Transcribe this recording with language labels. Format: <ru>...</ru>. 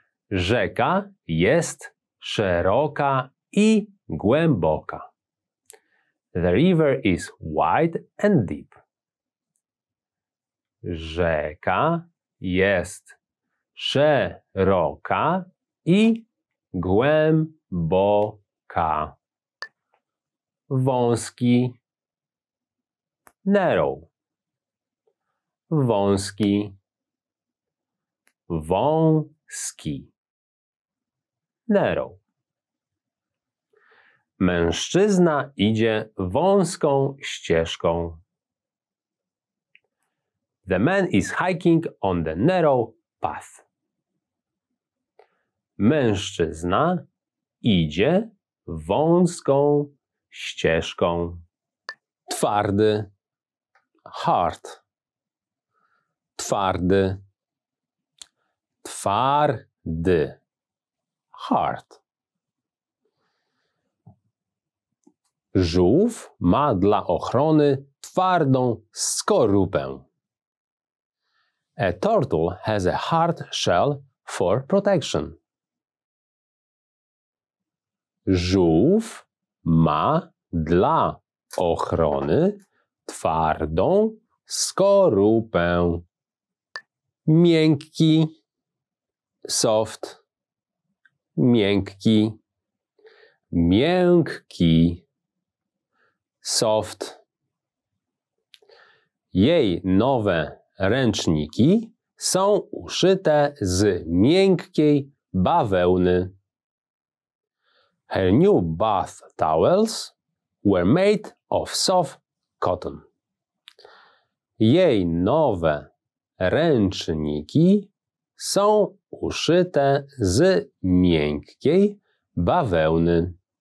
<pl>Rzeka jest szeroka i głęboka.</pl> <en>The river is wide and deep.</en> <pl>Rzeka jest szeroka i głęboka. Wąski.</pl> <en>Narrow.</en> <pl>Wąski. Wąski.</pl> <en>Narrow.</en> <pl>Mężczyzna idzie wąską ścieżką.</pl> <en>The man is hiking on the narrow path.</en> <pl>Mężczyzna idzie wąską ścieżką. Twardy.</pl> <en>Hard.</en> <pl>Twardy. Twardy.</pl> <en>Hard.</en> <pl>Żółw ma dla ochrony twardą skorupę.</pl> <en>A turtle has a hard shell for protection.</en> <pl>Żółw ma dla ochrony twardą skorupę. Miękki,</pl> <en>soft,</en> <pl>miękki, miękki, soft. Jej nowe ręczniki są uszyte z miękkiej bawełny.</pl> <en>Her new bath towels were made of soft cotton.</en> <pl>Jej nowe ręczniki są uszyte z miękkiej bawełny.</pl>